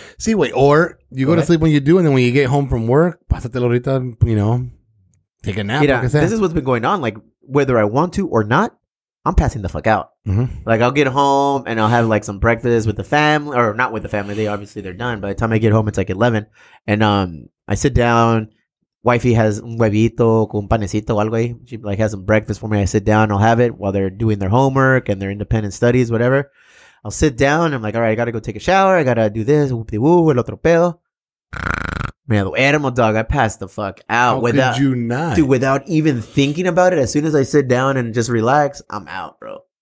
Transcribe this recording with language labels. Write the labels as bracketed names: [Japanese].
[English] See, wait, or you go to sleep when you do, and then when you get home from work, [Spanish] pasate la horita, [English] you know, take a nap. Yeah, like I said. This is what's been going on, like whether I want to or not. I'm passing the fuck out. Mm-hmm. Like, I'll get home and I'll have like some breakfast with the family, or not with the family. They obviously they're done. By the time I get home, it's like 11. And I sit down. Wifey has [Spanish] un huevito con panecito o algo ahí. [English] She like has some breakfast for me. I sit down. I'll have it while they're doing their homework and their independent studies, whatever. I'll sit down. I'm like, all right, I got to go take a shower. I got to do this. Whoop de woo, [Spanish] el otro pedo. [English] Man, the animal dog, I passed the fuck out. How without, could you not? Dude, without even thinking about it, as soon as I sit down and just relax, I'm out, bro.